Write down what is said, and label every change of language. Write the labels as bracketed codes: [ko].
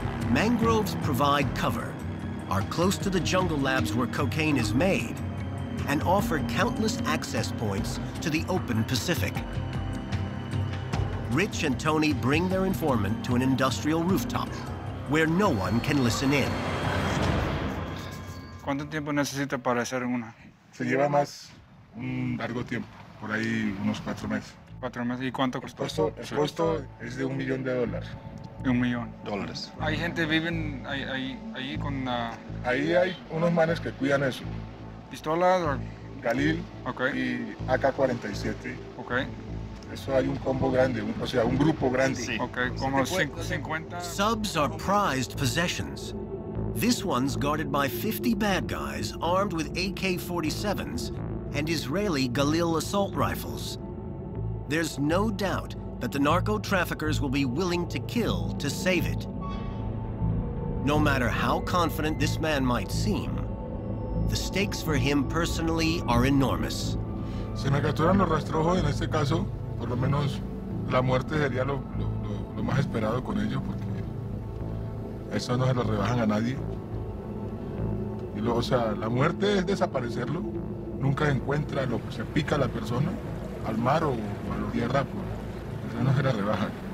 [en] Mangroves provide cover, are close to the jungle labs where cocaine is made, and offer countless access points to the open Pacific. Rich and Tony bring their informant to an industrial rooftop where no one can listen in. [es] ¿Cuánto tiempo necesita para hacer una? Se lleva más un largo tiempo, por ahí unos 4 meses. 4 meses, ¿y cuánto costó? El costo es de $1,000,000. $1,000,000. ¿Hay gente viven ahí con la...? Ahí hay unos manes que cuidan eso. ¿Pistolas o...? Galil. Okay. Y AK-47. Okay. Eso hay un combo grande, un grupo grande. Sí. Okay, como 50. [en] Subs are prized possessions. This one's guarded by 50 bad guys armed with AK-47s and Israeli Galil assault rifles. There's no doubt that the narco traffickers will be willing to kill to save it. No matter how confident this man might seem, the stakes for him personally are enormous. [es] Si me capturan los rastrojos en este caso, por lo menos la muerte sería lo más esperado con ellos, porque eso no se lo rebajan a nadie. Y luego, o sea, la muerte es desaparecerlo. Nunca encuentra lo que se pica a la persona, al mar o a la tierra, pues, eso no se la rebaja.